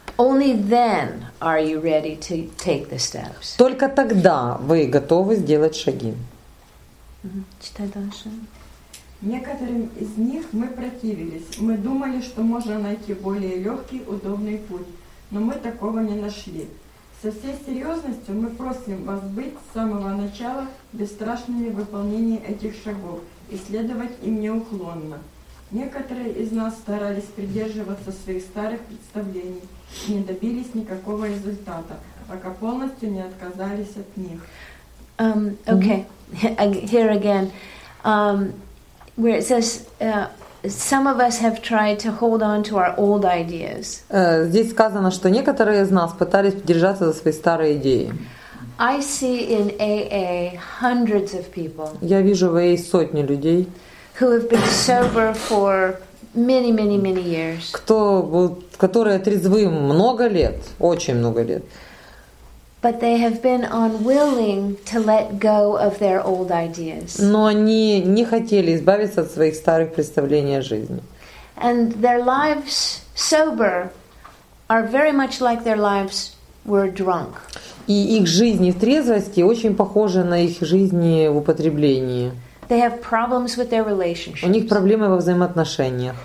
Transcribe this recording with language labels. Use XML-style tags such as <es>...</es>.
<en>only then are you ready to take the steps.</en> <ru>Только тогда вы готовы сделать шаги. Читай дальше. Некоторым из них мы противились. Мы думали, что можно найти более легкий, удобный путь. Но мы такого не нашли. Со всей серьезностью мы просим вас быть с самого начала бесстрашными в выполнении этих шагов и следовать им неуклонно. Некоторые из нас старались придерживаться своих старых представлений, не добились никакого результата, пока полностью не отказались от них.</ru> <en>Okay, here again, where it says some of us have tried to hold on to our old ideas.</en> <ru>Здесь сказано, что некоторые из нас пытались держаться за свои старые идеи.</ru> <en>I see in AA hundreds of people.</en> <ru>Я вижу в AA сотни людей.</ru> <en>Who have been sober for many, many, many years?</en> <ru>Кто был, который трезвым много лет, очень много лет.</ru> <en>But they have been unwilling to let go of their old ideas.</en> <ru>Но они не хотели избавиться от своих старых представлений о жизни.</ru> <en>And their lives sober are very much like their lives were drunk.</en> <ru>И их жизни в трезвости очень похожи на их жизни в употреблении.</ru> <en>They have problems with their relationships.</en> <ru>У них проблемы во взаимоотношениях.</ru>